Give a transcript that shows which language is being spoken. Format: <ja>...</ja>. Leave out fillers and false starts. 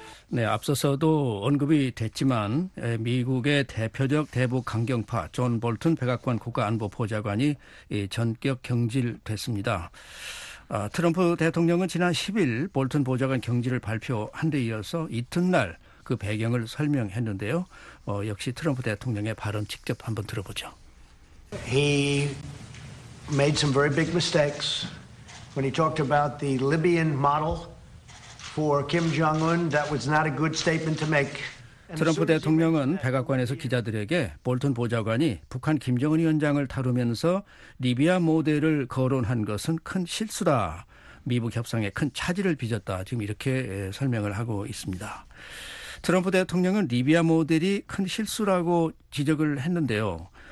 <ko>네, 앞서서도 언급이 됐지만 미국의 대표적 대북 강경파 존 볼튼 백악관 국가안보보좌관이 전격 경질됐습니다. 트럼프 대통령은 지난 10일 볼튼 보좌관 경질을 발표한 데 이어서 이튿날 그 배경을 설명했는데요. 역시 트럼프 대통령의 발언 직접 한번 들어보죠.</ko> <en>He made some very big mistakes when he talked about the Libyan model for Kim Jong-un. That was not a good statement to make.</en> <ko>트럼프 대통령은 백악관에서 기자들에게 볼튼 보좌관이 북한 김정은 위원장을 다루면서 리비아 모델을 거론한 것은 큰 실수다. 미북 협상에 큰 차질을 빚었다. 지금 이렇게 설명을 하고 있습니다. 트럼프 대통령은 리비아 모델이 큰 실수라고 지적을 했는데요.</ko>